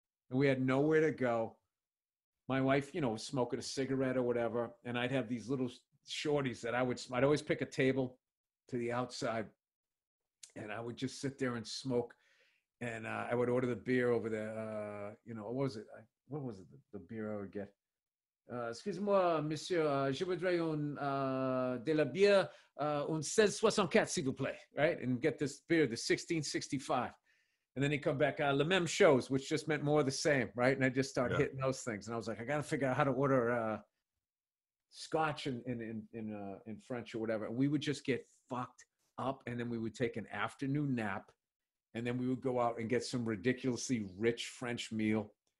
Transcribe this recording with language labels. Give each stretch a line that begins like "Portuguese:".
English: And we had nowhere to go. My wife, you know, was smoking a cigarette or whatever. And I'd have these little shorties that I'd always pick a table to the outside. And I would just sit there and smoke. And I would order the beer over there. What was it, the beer I would get?
French: Excuse-moi, monsieur, je voudrais de la bière, un 1664, s'il vous plaît,
English: right? And get this beer, the 1665. And then he come back,
French: le même chose,
English: which just meant more of the same, right? And I just started hitting those things. And I was like, I got to figure out how to order scotch in French or whatever. And we would just get fucked up, and then we would take an afternoon nap, and then we would go out and get some ridiculously rich French meal.